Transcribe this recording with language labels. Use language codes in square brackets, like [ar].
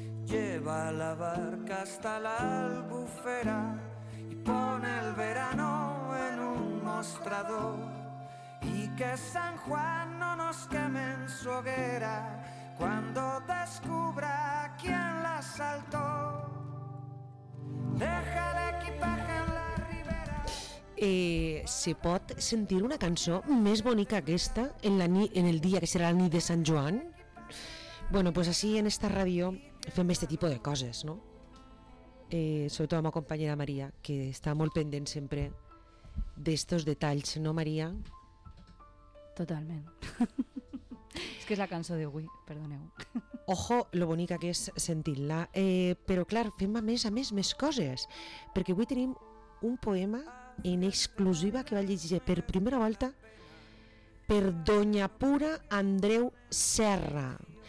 [es] Lleva la barca hasta la albufera y pon el verano en un mostrador. Y que San Juan no nos queme en su hoguera cuando descubra quién la asaltó. Deja el equipaje en la ribera. [ca] ¿Se pot sentir una cançó més bonica que esta en el dia que serà la nit de Sant Joan? Bueno, [es] pues así en esta radio [ca] fem este tipus de coses, no? Sobretot amb la companya Maria, que està molt pendent sempre d'estos detalls, no, Maria? Totalment. És que és la cançó d'avui, perdoneu. Ojo lo bonica que és sentir-la. Però clar, fem a més coses, perquè avui tenim un poema en exclusiva que va llegir per primera volta per Doña Pura Andreu Serra.